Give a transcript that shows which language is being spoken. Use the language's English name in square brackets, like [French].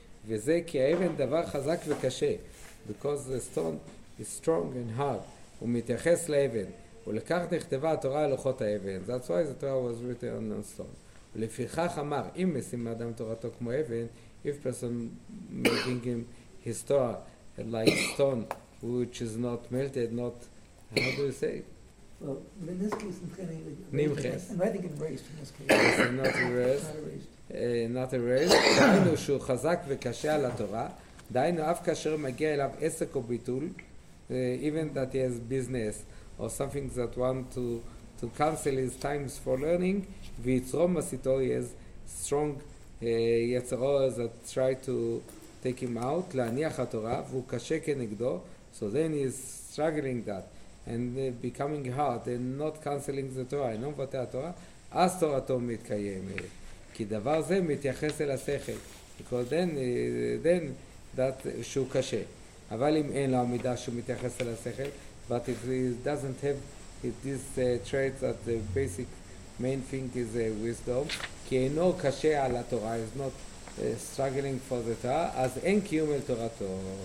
[Hebrew] וזה כי האבן דבר חזק וקשה, [English] because the stone is strong and hard. [Hebrew] ומתייחס לאבן. ולכך נכתבה התורה על לוחות האבן. [English] That's why the Torah was written on the stone. [Hebrew] ולפיכך אמר, אם משים אדם תורתו כמו אבן, [English] if person making him his Torah like stone, which is not melted, not... How do you say it? Well, in this case, [Hebrew] Nimches. [English] And I think erased in this case. Not erased. Not erased. [Hebrew] דהיינו שהוא חזק וקשה על התורה. דהיינו אף כאשר מגיע אליו עסק או ביטול, [English] even that he has business or something that want to cancel his times for learning, [Hebrew] ויצרו מסיתו, [English] he has strong יצרו that try to take him out, [Hebrew] להניח התורה, והוא קשה כנגדו. [English] So then he is struggling that and becoming hard and not canceling the Torah. [Hebrew] אינו מבטא התורה, אז תורתו מתקיימת. כי דבר זה מתייחס אל השכל. [English] Because then that [Hebrew] שהוא קשה. אבל אם אין לו עמידה שהוא מתייחס אל השכל, [English] but if he doesn't have this trait that the basic main thing is wisdom, [Hebrew] כי אינו קשה על התורה, [English] is not struggling for the Torah, [Hebrew] אז אין קיום אל תורתו.